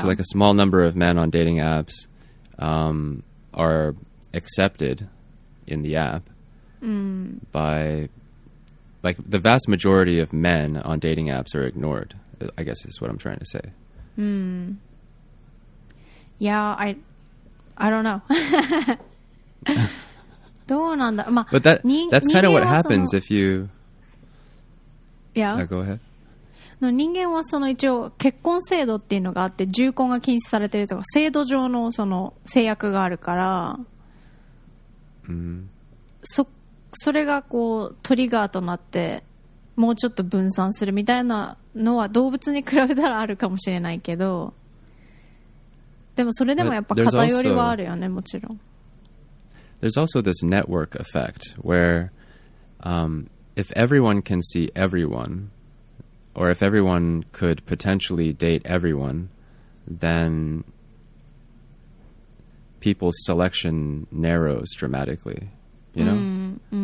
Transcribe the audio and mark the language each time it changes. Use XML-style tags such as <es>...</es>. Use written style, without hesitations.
<en>So like a small number of men on dating apps are accepted in the app by, like, the vast majority of men on dating apps are ignored, I guess is what I'm trying to say. Yeah, I don't know.</en> <ja>どうなんだ、まあ、</ja> <en>But that's kind of what happens if you... Yeah. Go ahead.</en> <ja>の人間はその一応結婚制度っていうのがあって、重婚が禁止されてるとか制度上のその制約があるから、それがこうトリガーとなってもうちょっと分散するみたいなのは動物に比べたらあるかもしれないけど、でもそれでもやっぱ偏りはあるよね、もちろん。</ja> <en>There's also this network effect where if everyone can see everyone, or if everyone could potentially date everyone, then people's selection narrows dramatically, you know?</en>